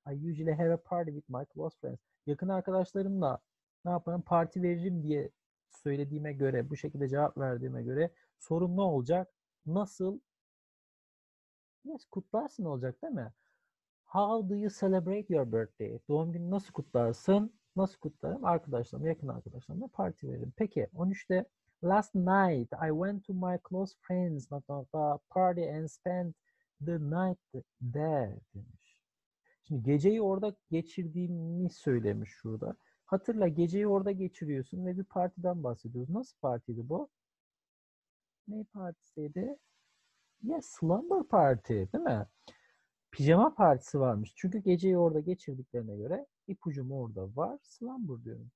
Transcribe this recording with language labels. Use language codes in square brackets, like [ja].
[en] I usually have a party with my close friends. [tr] Yakın arkadaşlarımla ne yaparım? Parti veririm diye söylediğime göre, bu şekilde cevap verdiğime göre sorum ne olacak? Nasıl? Yes, kutlarsın olacak değil mi? [en] How do you celebrate your birthday? [tr] Doğum günü nasıl kutlarsın? Nasıl kutlarım? Arkadaşlarıma, yakın arkadaşlarıma parti veririm. Peki 13'te [en] last night I went to my close friends party and spent the night there [tr] demiş. Şimdi geceyi orada geçirdiğimi söylemiş şurada. Hatırla, geceyi orada geçiriyorsun ve bir partiden bahsediyoruz. Nasıl partiydi bu? Ne partisiydi? Yes, slumber party, değil mi? Pijama partisi varmış. Çünkü geceyi orada geçirdiklerine göre ipucum orada var. Slumber diyorum.